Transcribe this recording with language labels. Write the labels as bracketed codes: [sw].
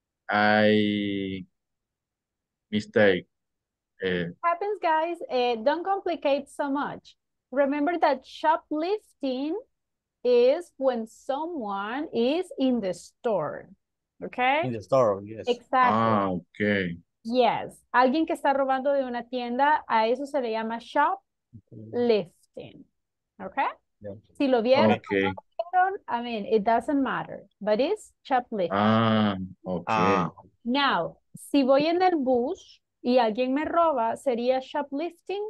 [en] I mistake. Happens, guys. Don't complicate so much. Remember that shoplifting is when someone is in the store. Okay. In the store, yes. Exactly. Ah, okay. Yes. [es] Alguien que está robando de una tienda, a eso se le llama shoplifting. [en] Okay. Yeah. [es] Si lo vieron, [en] okay. [es] Lo vieron, [en] I mean, it doesn't matter, but it's shoplifting. Ah, okay. Now, [es] si voy en el bus y alguien me roba, ¿sería shoplifting?